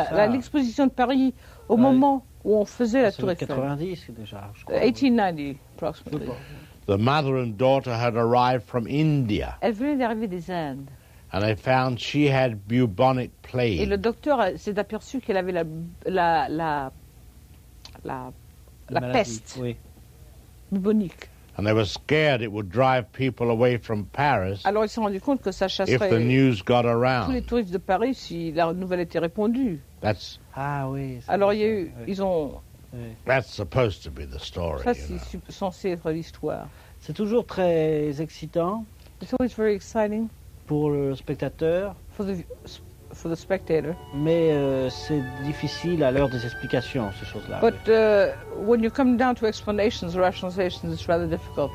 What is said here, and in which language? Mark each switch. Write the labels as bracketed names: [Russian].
[French] L'exposition de Paris, au moment où on faisait la Tour Eiffel. 90 déjà, je crois. [English] 1890, approximately. The mother and daughter had arrived from India. [French] Elles venaient d'arriver des Indes. [English] And they found she had bubonic plague. [French] Et le docteur s'est aperçu qu'elle avait la maladie, peste. Oui. Bubonique. [English] And they were scared it would drive people away from Paris. [French] Alors ils se sont rendus compte que ça chasserait. [English] If the news got around. [French] Tous les touristes de Paris si la nouvelle était répandue. [English] That's. [French] Ah oui. Alors il y a eu, oui. Ils ont. Oui. [English] That's supposed to be the story. [French] Ça c'est censé être l'histoire. C'est toujours très excitant. [English] It's always very exciting. [French] Pour le spectateur, [English] for the spectator. [French] Mais c'est difficile à l'heure des explications, ces choses-là. [English] But when you come down to explanations, rationalizations, it's rather difficult.